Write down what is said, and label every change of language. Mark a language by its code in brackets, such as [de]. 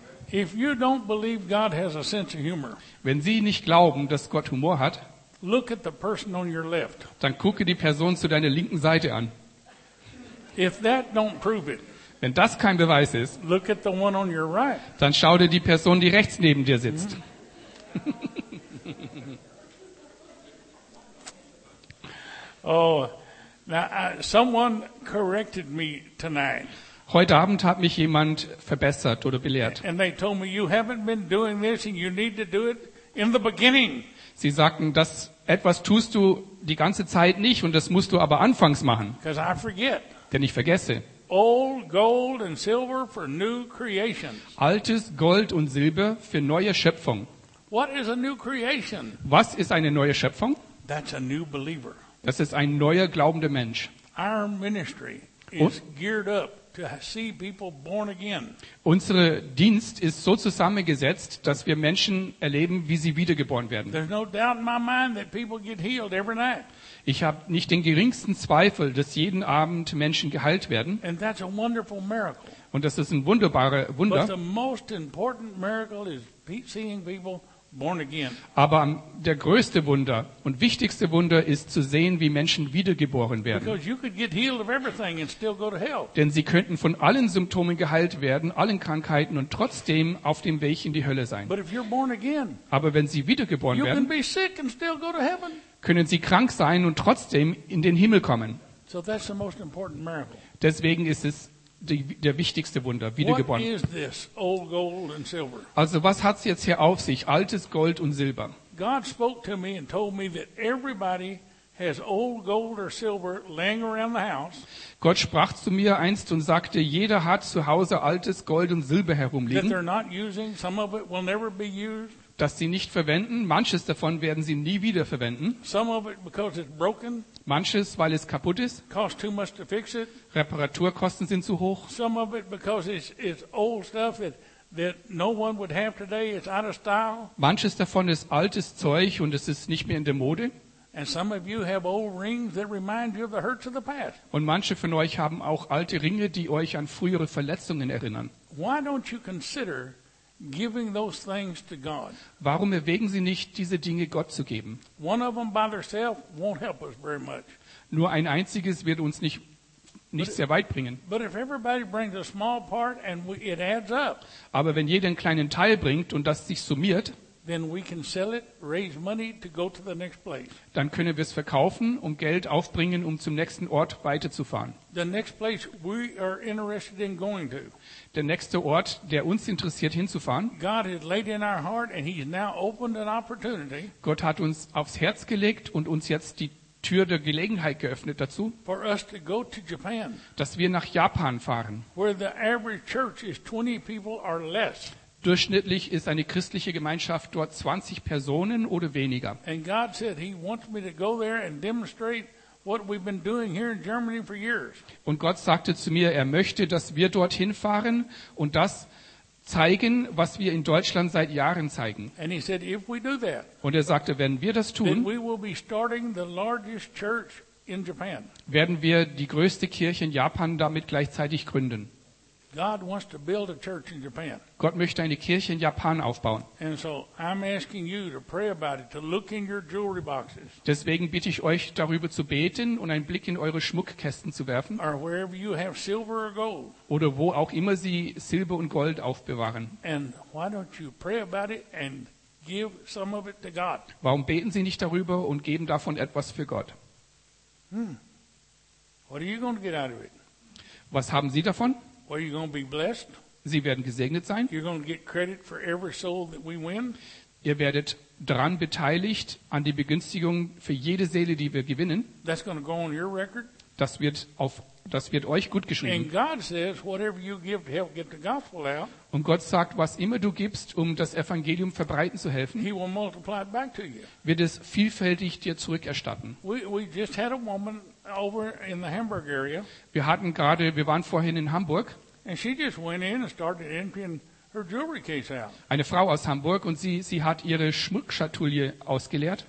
[en] If you don't believe God has a sense of humor, [de] wenn Sie nicht glauben, dass Gott Humor hat, [en] look at the person on your left. [de] Dann gucke die Person zu deiner linken Seite an. [en] If that don't prove it, [de] wenn das kein Beweis ist, [en] look at the one on your right. [de] Dann schau dir die Person, die rechts neben dir sitzt. [en] Oh, now someone corrected me tonight. [de] Heute Abend hat mich jemand verbessert oder belehrt. [en] And they told me you haven't been doing this and you need to do it in the beginning. [de] Sie sagten, dass etwas tust du die ganze Zeit nicht und das musst du aber anfangs machen. [en] Because I forget. [de] Denn ich vergesse. [en] Old gold and silver for new creations. [de] Altes Gold und Silber für neue Schöpfung. [en] What is a new creation? [de] Was ist eine neue Schöpfung? [en] That's a new believer. [de] Das ist ein neuer glaubender Mensch. [en] Our ministry is geared up to see people born again. [de] Unser Dienst ist so zusammengesetzt, dass wir Menschen erleben, wie sie wiedergeboren werden. [en] There's no doubt in my mind that people get healed every night. [de] Ich habe nicht den geringsten Zweifel, dass jeden Abend Menschen geheilt werden. [en] And that's a wonderful miracle. [de] Und das ist ein wunderbares Wunder. [en] But the most important miracle is seeing people born again. [de] Aber der größte Wunder und wichtigste Wunder ist zu sehen, wie Menschen wiedergeboren werden. [en] Because you could get healed of everything and still go to hell. [de] Denn sie könnten von allen Symptomen geheilt werden, allen Krankheiten und trotzdem auf dem Weg in die Hölle sein. [en] But if you're born again, [de] aber wenn sie wiedergeboren [en] you [de] werden, [en] can be sick and still go to heaven. [de] Können sie krank sein und trotzdem in den Himmel kommen. [en] So that's the most important miracle. [de] Deswegen ist es der wichtigste Wunder, wiedergeboren. [en] What is this, old gold and silver? [de] Also was hat es jetzt hier auf sich, altes Gold und Silber? [en] God spoke to me and told me that everybody has old gold or silver laying around the house. [de] Gott sprach zu mir einst und sagte, jeder hat zu Hause altes Gold und Silber herumliegen. [en] That they're not using, some of it will never be used. [de] Das sie nicht verwenden. Manches davon werden sie nie wieder verwenden. [en] Some of it because it's broken. [de] Manches, weil es kaputt ist. [en] Cost too much to fix it. [de] Reparaturkosten sind zu hoch. [en] Some of it because it's old stuff that no one would have today. It's out of style. [de] Manches davon ist altes Zeug und es ist nicht mehr in der Mode. [en] And some of you have old rings that remind you of the hurts of the past. [de] Und manche von euch haben auch alte Ringe, die euch an frühere Verletzungen erinnern. [en] Why don't you consider giving those things to God? [de] Warum erwägen Sie nicht, diese Dinge Gott zu geben? [en] One of them by themselves won't help us very much. [de] Nur ein einziges wird uns nicht sehr weit bringen. [en] But if everybody brings a small part and it adds up. [de] Aber wenn jeder einen kleinen Teil bringt und das sich summiert, [en] then we can sell it, raise money to go to the next place. [de] Dann können wir es verkaufen und Geld aufbringen, um zum nächsten Ort weiterzufahren. [en] The next place we are interested in going to. [de] Der nächste Ort, der uns interessiert, hinzufahren. [en] God has laid in our heart and he's now opened an opportunity. [de] Gott hat uns aufs Herz gelegt und uns jetzt die Tür der Gelegenheit geöffnet dazu, [en] for us to go to Japan, [de] dass wir nach Japan fahren. [en] Where the average church is 20 people or less. [de] Durchschnittlich ist eine christliche Gemeinschaft dort 20 Personen oder weniger. [en] And God said he wants me to go there and demonstrate what we've been doing here in Germany for years. [de] Und Gott sagte zu mir, er möchte, dass wir dorthin fahren und das zeigen, was wir in Deutschland seit Jahren zeigen. [en] And he said, if we do that, [de] und er sagte, wenn wir das tun, [en] then we will be starting the largest church in Japan. [de] Werden wir die größte Kirche in Japan damit gleichzeitig gründen. [en] God wants to build a church in Japan. [de] Gott möchte eine Kirche in Japan aufbauen. [en] And so I'm asking you to pray about it, to look in your jewelry boxes. [de] Deswegen bitte ich euch darüber zu beten und einen Blick in eure Schmuckkästen zu werfen. [en] Or wherever you have silver or gold. [de] Oder wo auch immer sie Silber und Gold aufbewahren. [en] And why don't you pray about it and give some of it to God? [de] Warum beten Sie nicht darüber und geben davon etwas für Gott? [en] What are you going to get out of it? [de] Was haben Sie davon? [en] Well, you're going to be blessed. [de] Sie werden gesegnet sein. [en] You're going to get credit for every soul that we win. [de] Ihr werdet daran beteiligt an die Begünstigung für jede Seele, die wir gewinnen. [en] That's going to go on your record. [de] Das wird euch gut geschrieben. [en] And God says, whatever you give to help get the gospel out. [de] Und Gott sagt, was immer du gibst, um das Evangelium verbreiten zu helfen, [en] he will multiply it back to you. [de] Wird es vielfältig dir zurückerstatten. [en] We just had a woman over in the Hamburg area. [de] Wir waren vorhin in Hamburg. [en] And she just went in and started emptying her jewelry case out. [de] Eine Frau aus Hamburg, und sie hat ihre Schmuckschatulle ausgeleert.